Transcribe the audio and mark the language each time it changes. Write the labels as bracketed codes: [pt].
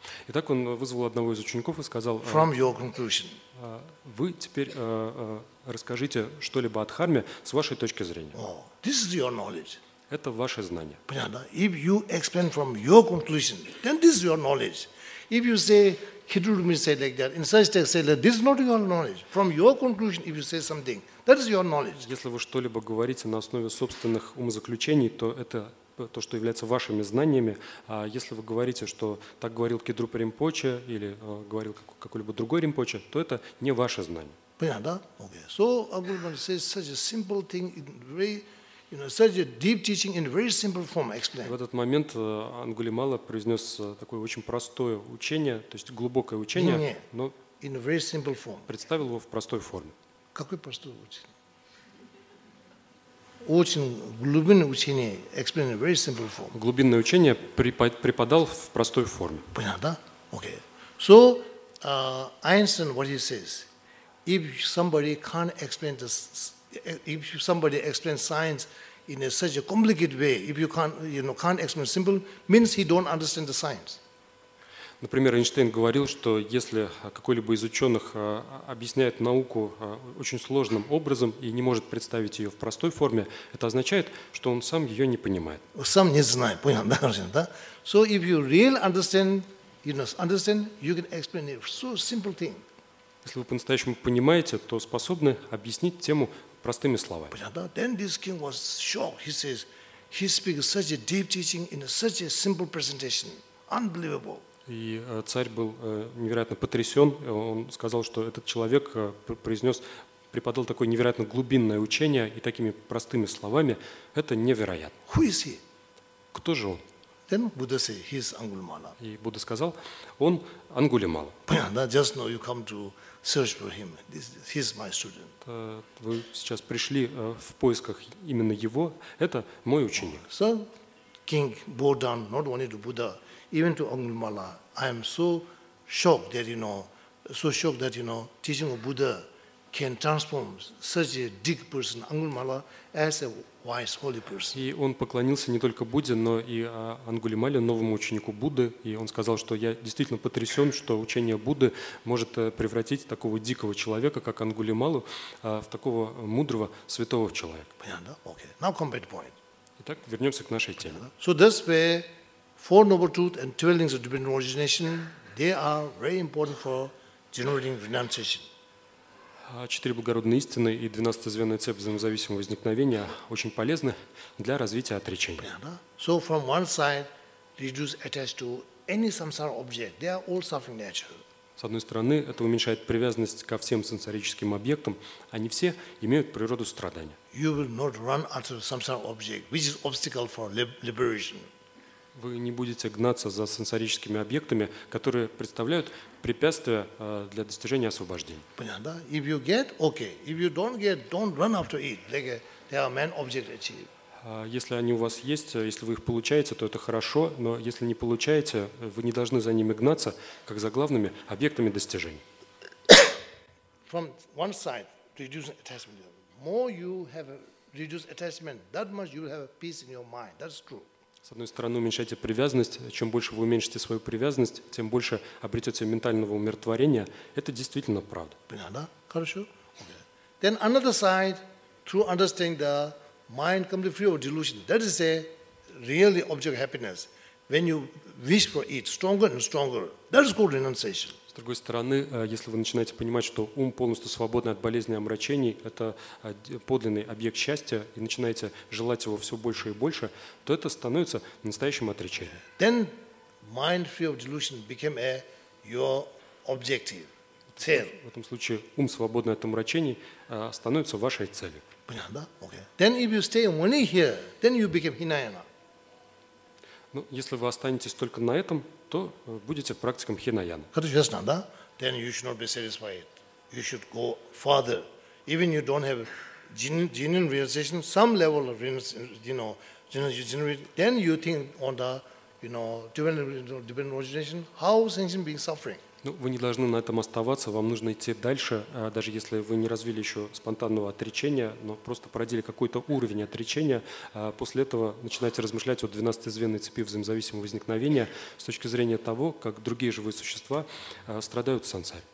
[ru] Итак, он вызвал одного из учеников и сказал, [en] from your conclusion. [ru] Вы теперь расскажите что-либо о Дхарме с вашей точки зрения. [en] Oh, this is your knowledge. [ru] Это ваше знание. Понятно? [en] If you explain from your conclusion, then this is your knowledge. If you say, Khidrumi say like that, in such text say like, this is not your knowledge. From your conclusion, if you say something, that is your knowledge. [ru] Если вы что-либо говорите на основе собственных умозаключений, то это то, что является вашими знаниями. А если вы говорите, что так говорил Кидрупа Ринпоче или говорил какой-либо другой Ринпоче, то это не ваше знание. Понятно, да? [en] Okay. So, Агурман says such a simple thing in very... You know, such a deep teaching in very simple form. Explain. [ru] В этот момент Ангулимала произнес такое очень простое учение, то есть глубокое учение, но [en] in very simple form. [ru] Представил его в простой форме. Какое простое учение? Очень глубинное учение. [en] Explain in very simple form. [ru] Глубинное учение преподал в простой форме. Понятно, да? [en] Okay. So, Einstein, what he says, if somebody can't explain the if somebody explains science in a such a complicated way, if you can't, you know, can't explain simple, means he don't understand the science. [ru] Например, Эйнштейн говорил, что если какой-либо из ученых объясняет науку очень сложным образом и не может представить ее в простой форме, это означает, что он сам ее не понимает. Сам не знает, понятно, да? [en] So if you really understand, you know, understand, you can explain it. So simple thing. [ru] Если вы по-настоящему понимаете, то способны объяснить тему простыми словами. [en] Then this king was shocked. He says, he speaks such a deep teaching in such a simple presentation. Unbelievable. [ru] И царь был невероятно потрясен. Он сказал, что этот человек произнес, преподал такое невероятно глубинное учение и такими простыми словами. Это невероятно. [en] Who is he? [ru] Кто же он? [en] Then Buddha said, he is Ангулимала. [ru] И Будда сказал, он Ангулимала. Понятно, [en] just now you come to search for him. He's my student. [ru] Вы сейчас пришли в поисках именно его. Это мой ученик. [en] So, king bowed down not only to Buddha, even to Ангулимала. I am so shocked that, you know, teaching of Buddha can transform such a deep person, Ангулимала, as a wise, holy person. [ru] И он поклонился не только Будде, но и Ангулимале, новому ученику Будды. И он сказал, что я действительно потрясен, что учение Будды может превратить такого дикого человека, как Ангулималу, в такого мудрого, святого человека. Понятно, да? [en] Okay. Now come back to point. [ru] Итак, вернемся к нашей теме. [en] So that's where Four Noble Truths and 12 Links of Divine Origination, they are very important for generating renunciation. [ru] Четыре благородные истины и двенадцатизвёздная цепь взаимозависимого возникновения очень полезны для развития отречения. [en] So from one side, reduce attachment to any samsara object. They are all suffering nature. [ru] С одной стороны, это уменьшает привязанность ко всем сансарическим объектам. Они все имеют природу страдания. [en] You will not run after samsara object, which is obstacle for liberation. [ru] Вы не будете гнаться за сенсорическими объектами, которые представляют препятствия для достижения освобождения. Понятно, да? [en] If you get, okay. If you don't get, don't run after it. Like they are main object achieved. [ru] Если они у вас есть, если вы их получаете, то это хорошо, но если не получаете, вы не должны за ними гнаться, как за главными объектами достижения. [en] From one side, reduce attachment. The more you have reduced attachment, that much you have peace in your mind. That's true. [ru] С одной стороны, уменьшайте привязанность. Чем больше вы уменьшите свою привязанность, тем больше обретете ментального умиротворения. Это действительно правда. Понятно, да? Хорошо. [en] Okay. Then another side, through understanding the mind completely free of delusion, that is a really object of happiness. When you wish for it stronger and stronger, that is called renunciation. [ru] С другой стороны, если вы начинаете понимать, что ум полностью свободный от болезней и омрачений, это подлинный объект счастья, и начинаете желать его все больше и больше, то это становится настоящим отречением. [en] Then mind free of delusion became a your objective, цель. [ru] В этом случае ум, свободный от омрачений, становится вашей целью. Понятно? [en] Okay. Then if you stay only here, then you become Hinayana. [ru] Ну, если вы останетесь только на этом, то будете практиком Хинаяна. Это ясно, да? [en] Then you should not be satisfied. You should go further. Even you don't have genuine realization, some level of then you think on the, dependent origination, how sentient beings suffering. [ru] Ну, вы не должны на этом оставаться, вам нужно идти дальше, даже если вы не развили еще спонтанного отречения, но просто проделали какой-то уровень отречения, после этого начинаете размышлять о 12 звенной цепи взаимозависимого возникновения с точки зрения того, как другие живые существа страдают в сансаре.